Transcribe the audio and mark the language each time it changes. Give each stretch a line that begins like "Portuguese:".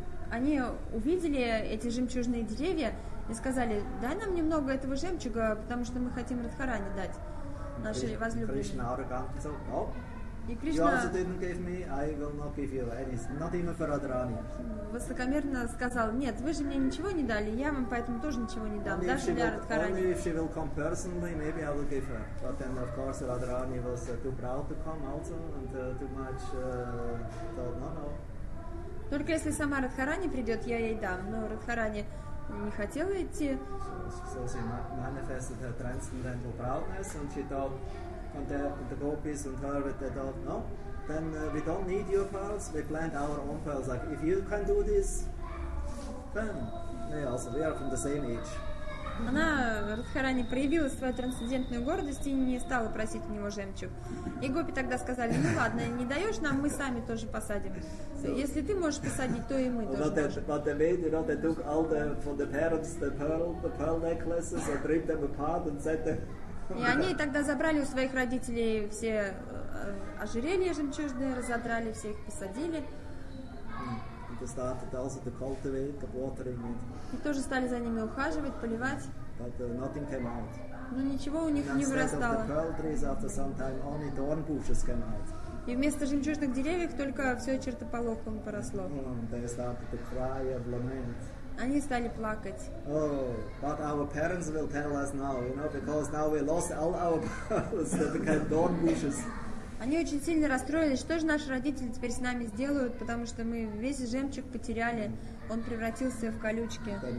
Russian: Они увидели эти жемчужные деревья и сказали: «Дай нам немного этого жемчуга, потому что мы хотим Радхарани дать». Нашей возлюбленной.
English: Кришна arrogant, so, no. Кришна... You also didn't give me, I will not give you anything. Not even for Radharani.
Russian: Высокомерно сказал, нет, вы же мне ничего не дали, я вам поэтому тоже ничего не дам, даже для Радхарани.
English: Only if she will come personally, maybe I will give her. But then, of course, Radharani was too proud to come also, and too much thought, no.
Russian: Только если сама Радхарани придет, я ей дам. Но Радхарани не хотела идти.
English: So she manifested her transcendental proudness, and she thought, and the gopis and her, they thought, no, then we don't need your pearls, we plant our own pearls. Like, if you can do this, then they also, we are from the same age.
Russian: Она в Радхарани проявила свою трансцендентную гордость и не стала просить у него жемчуг. И гопи тогда сказали, ну ладно, не даешь нам, мы сами тоже посадим. Если ты можешь посадить, то и мы тоже. И они тогда забрали у своих родителей все ожерелья жемчужные, разодрали, все их посадили.
English: Started also to cultivate the watering it.
Russian: И тоже стали за ними ухаживать, поливать.
English: But nothing came out.
Russian: Но ничего у них не вырастало.
English: Instead of the pearl trees, after some time, only thorn bushes came out.
Russian: И вместо жемчужных деревьев только все чертополохом поросло.
English: They started to cry and lament.
Russian: Они стали плакать.
English: Oh, but our parents will tell us now, you know, because now we lost all our pearls that became thorn bushes.
Russian: Они очень сильно расстроились. Что же наши родители теперь с нами сделают, потому что мы весь жемчуг потеряли, он превратился в колючки.